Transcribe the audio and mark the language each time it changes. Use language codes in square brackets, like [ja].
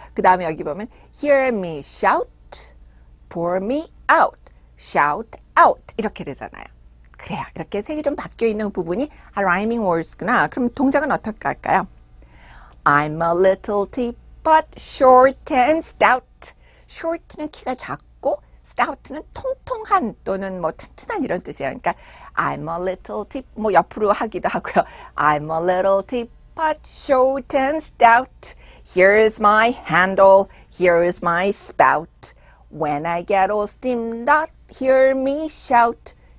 [ko] 그 다음에 여기 보면 [en] Hear me shout, pour me out, shout out [ko] 이렇게 되잖아요. 그래요. 이렇게 색이 좀 바뀌어 있는 부분이 아, rhyming words구나. 그럼 동작은 어떻게 할까요? [en] I'm a little teapot, short and stout. [ko] short는 키가 작고, stout는 통통한 또는 뭐 튼튼한 이런 뜻이에요. 그러니까 [en] I'm a little teapot [ko] 뭐 옆으로 하기도 하고요. [en] I'm a little teapot, short and stout. Here's my handle. Here's my spout. When I get all steamed up, hear me shout.